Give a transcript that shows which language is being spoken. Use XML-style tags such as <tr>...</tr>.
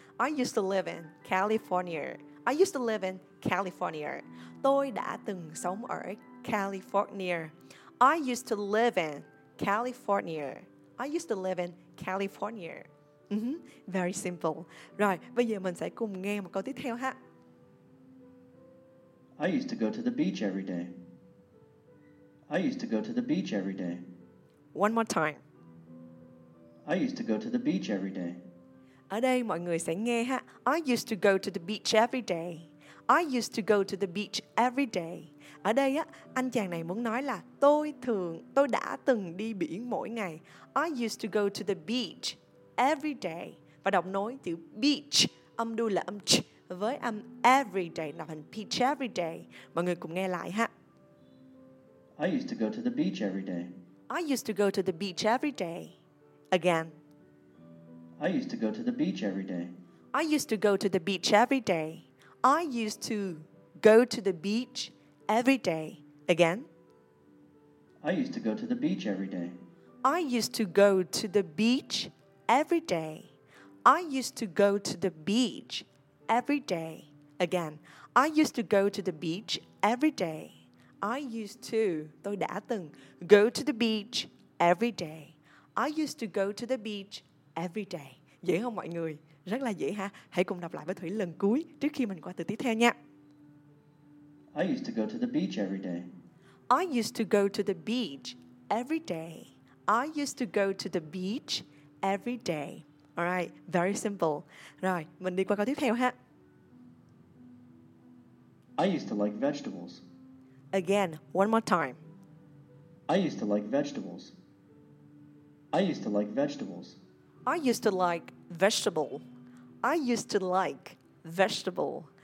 <en>I used to live in California. I used to live in California.</en> <vi>Tôi đã từng sống ở California.</vi> <en>I used to live in California. I used to live in California. Very simple. Right.</en> <vi>Bây giờ mình sẽ cùng nghe một câu tiếp theo ha.</vi> <en>I used to go to the beach every day. I used to go to the beach every day. One more time. I used to go to the beach every day.</en> <vi>Ở đây mọi người sẽ nghe ha.</vi> <en>I used to go to the beach every day. I used to go to the beach every day.</en> <vi>Ở đây á, anh chàng này muốn nói là tôi đã từng đi biển mỗi ngày.</vi> <en>I used to go to the beach every day.</en> <vi>Và đọc nối từ beach, âm đuôi là âm ch với âm every day, nạp hình</vi> <en>beach every day.</en> <vi>Mọi người cùng nghe lại ha.</vi> <en>I used to go to the beach every day. I used to go to the beach every day. Again. I used to go to the beach every day. I used to go to the beach every day. I used to go to the beach every day. Again. I used to go to the beach every day. I used to go to the beach every day. I used to go to the beach every day. Again. I used to go to the beach every day. I used to,</en> <vi>tôi đã từng,</vi> <en>go to the beach every day. I used to go to the beach every day.</en> <vi>Dễ không mọi người? Rất là dễ ha. Hãy cùng đọc lại với Thủy lần cuối trước khi mình qua từ tiếp theo nha.</vi> <en>I used to go to the beach every day. I used to go to the beach every day. I used to go to the beach every day. All right, very simple.</en> <vi>Rồi, mình đi qua câu tiếp theo ha.</vi> <en>I used to like vegetables. Again, one more time. I used to like vegetables. I used to like vegetables. I used to like vegetable. I used to like vegetable.</en>